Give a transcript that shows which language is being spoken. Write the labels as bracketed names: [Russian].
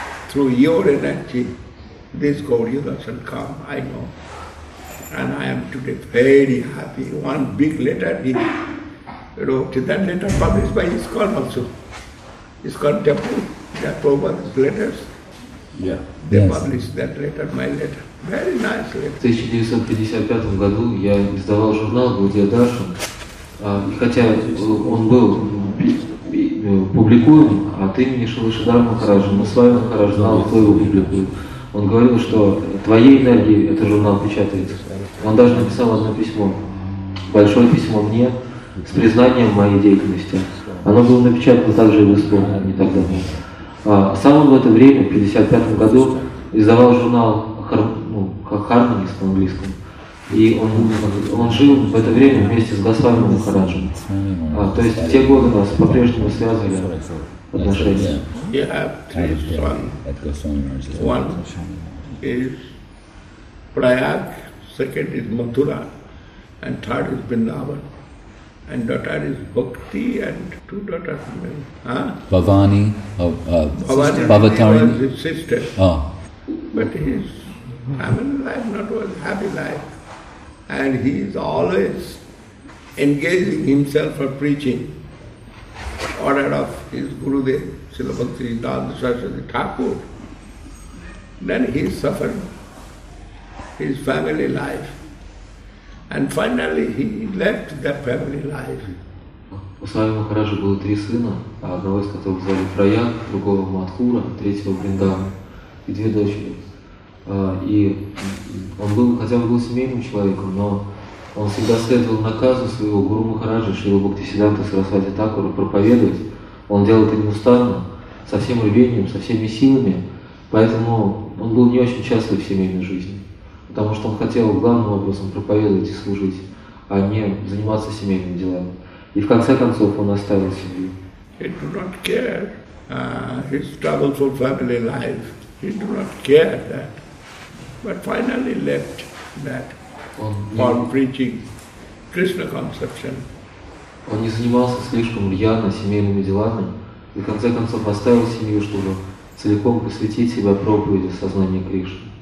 [English] Through your energy, this Gauriya Darshan come, I know. and I am today very happy. One big letter he wrote, that letter published by his school also. His school temple, that Prabhupada's letters. Yeah. They published that letter, my letter. Very nice letter. [Russian] В 1955 году я издавал журнал «Бхагавад-гита», и хотя он был публикуем от имени Шрилы Шридхара Махараджа, но с вами Махарадж знал, кто его публикует. Он говорил, что твоей энергией этот журнал печатается. Он даже написал одно письмо, большое письмо мне, с признанием моей деятельности. Оно было напечатано также в Испании не так давно. Сам он в это время, в 1955 году, издавал журнал «Харманис» по-английскому. И он жил в это время вместе с Госвами Махараджем. То есть в те годы нас по-прежнему связывали отношения. [English] We have three sons. One is Prayag, second is Mathura, and third is Vrindavan. And daughter is Bhakti, and two daughters. Bhavani, Bhavatari. Bhavani was his sister. Oh. But his family life not was happy life. And he is always engaging himself for preaching, order of his Gurudev, Srila Bhakti Dada Saraswati Thakur. Then he suffered his family life. And finally he left that family life. [Russian] У Свами Махараджа было три сына, одного из которых звали Прояг, другого Мадхура, третьего Бриндава и две дочери. И он был, хотя он был семейным человеком, но он всегда следовал наказу своего Гуру Махараджа, Шрилы Бхактисиддханты Сарасвати Такура, проповедовать. Он делал это неустанно, со всем рвением, со всеми силами. Поэтому он был не очень счастлив в семейной жизни. Потому что он хотел главным образом проповедовать и служить, а не заниматься семейными делами. И в конце концов он оставил семью. [English] He do not care. His troublesome family life. He do not care that. But finally left that for preaching Krishna conception. [Russian] Он не занимался слишком рьяно семейными делами и в конце концов оставил семью, чтобы целиком посвятить себя проповеди сознания Кришны.